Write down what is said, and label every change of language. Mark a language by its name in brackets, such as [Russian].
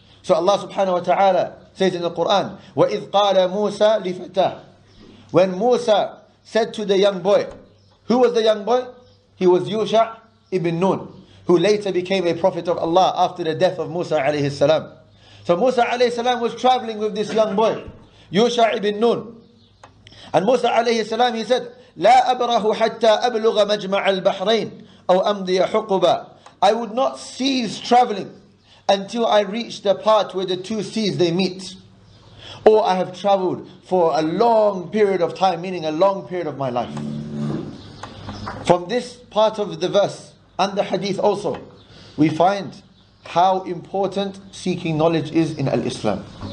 [English] So Allah subhanahu wa ta'ala says in the Quran, [Arabic] وَإِذْ قَالَ مُوسَى لِفَتَاهُ, [English] when Musa said to the young boy, who was the young boy? He was Yusha ibn Nun, who later became a prophet of Allah after the death of Musa alayhi salam. So Musa alayhi salam was traveling with this young boy, Yusha ibn Nun. And Musa alayhi salam, he said, [Arabic] لَا أَبْرَهُ حَتَّى أَبْلُغَ مَجْمَعَ الْبَحْرَيْنِ أَوْ أَمْضِيَ حُقُبًا. [English] I would not cease traveling until I reach the part where the two seas they meet. Or I have traveled for a long period of time, meaning a long period of my life. From this part of the verse and the hadith also, we find how important seeking knowledge is in Al-Islam.